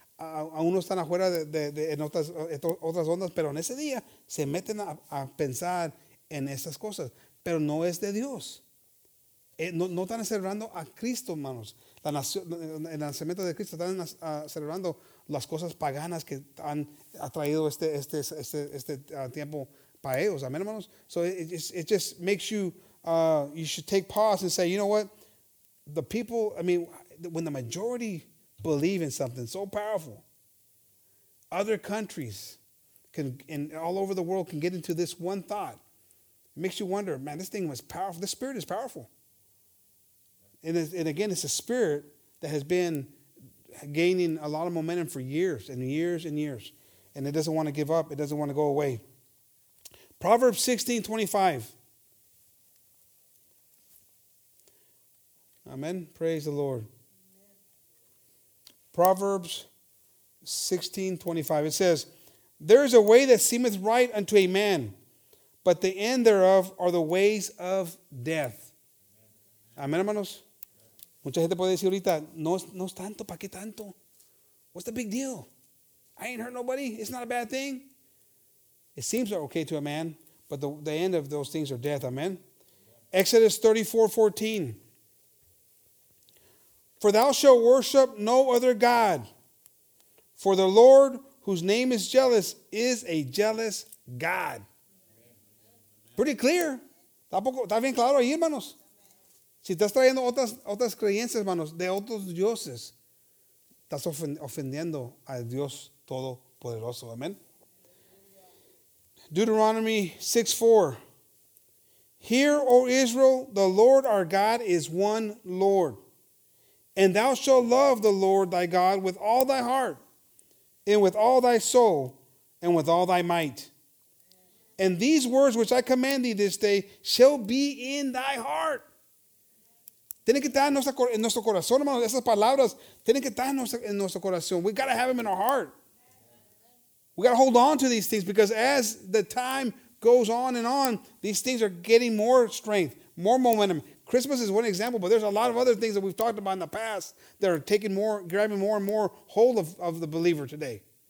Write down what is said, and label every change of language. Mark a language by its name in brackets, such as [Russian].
[Spanish] Aún no están afuera en otras ondas, pero en ese día se meten a pensar en esas cosas. Pero no es de Dios. No están celebrando a Cristo, hermanos. El nacimiento de Cristo, están celebrando las cosas paganas que han atraído este tiempo para ellos. Amén, hermanos. [English] So it just makes you, you should take pause and say, you know what? The people, I mean, when the majority believe in something so powerful, other countries can, and all over the world can get into this one thought. It makes you wonder, man, this thing was powerful. The spirit is powerful. And again, it's a spirit that has been gaining a lot of momentum for years and years and years. And it doesn't want to give up. It doesn't want to go away. Proverbs 16:25. Amen. Praise the Lord. Proverbs 16:25. It says, there is a way that seemeth right unto a man, but the end thereof are the ways of death. [Spanish] Amen, hermanos. Mucha gente puede decir ahorita, no es tanto, ¿para qué tanto? [English] What's the big deal? I ain't hurt nobody. It's not a bad thing. It seems okay to a man, but the end of those things are death. Amen. Exodus 34:14. For thou shalt worship no other God. For the Lord, whose name is jealous, is a jealous God. Amen. Pretty clear. [Spanish] ¿Está bien claro ahí, hermanos? Si estás trayendo otras creencias, hermanos, de otros dioses, estás ofendiendo a Dios Todopoderoso. [English] Amen. Deuteronomy 6:4. Hear, O Israel, the Lord our God is one Lord. And thou shalt love the Lord thy God with all thy heart, and with all thy soul, and with all thy might. And these words which I command thee this day shall be in thy heart. [Spanish] Tiene que estar en nuestro corazón, hermanos. Esas palabras tienen que estar en nuestro corazón. [English] We got to have them in our heart. We got to hold on to these things because as the time goes on, these things are getting more strength, more momentum. Christmas is one example, but there's a lot of other things that we've talked about in the past that are taking more, grabbing more and more hold of the believer today.